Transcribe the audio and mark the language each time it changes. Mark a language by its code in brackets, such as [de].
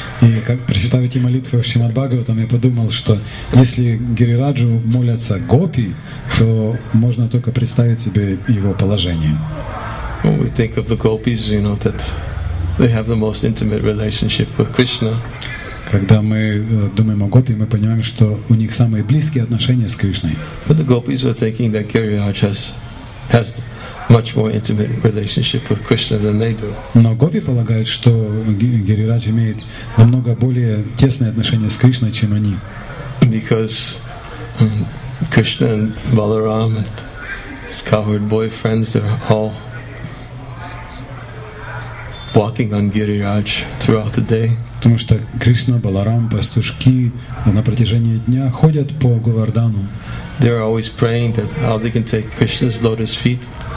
[ru] И как прочитав эти молитвы в Шримад Бхагаватам, я подумал, что если Гирираджу молятся гопи, то можно только представить себе его положение. [en] When we think of the gopis, you know, that they have the most intimate relationship with Krishna. [ru] Когда мы думаем о гопи, мы понимаем, что у них самые близкие отношения с Кришной. [en] But the gopis are thinking that Гирирадж has much more intimate relationship with Krishna than they do. [ru] Но гопи полагают, что Гирирадж имеет намного более тесные отношения с Кришной, чем они. [en] Because Krishna and Balaram and his cowherd boyfriends, they're all walking on Гирирадж throughout the day. [ru] Потому что Кришна, Баларам, пастушки на протяжении дня ходят по Говардану. [en] They're always praying that how they can take Krishna's lotus feet.